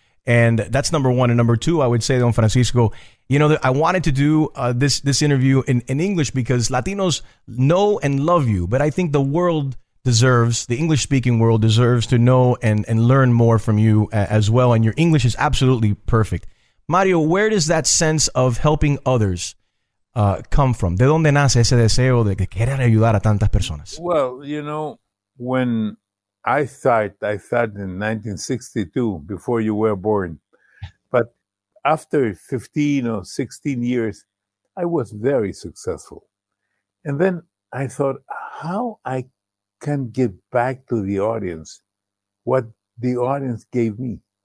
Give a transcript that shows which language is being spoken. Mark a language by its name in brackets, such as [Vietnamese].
[English] And that's number one. And number two, I would say, Don Francisco, you know, I wanted to do this interview in English, because Latinos know and love you. But I think the world deserves, the English-speaking world deserves to know and learn more from you as well. And your English is absolutely perfect. Mario, where does that sense of helping others come from? [Spanish] ¿De dónde nace ese deseo de que quieran ayudar a tantas personas? [English] Well, you know, when I started in 1962, before you were born. But after 15 or 16 years, I was very successful. And then I thought, how I can give back to the audience what the audience gave me?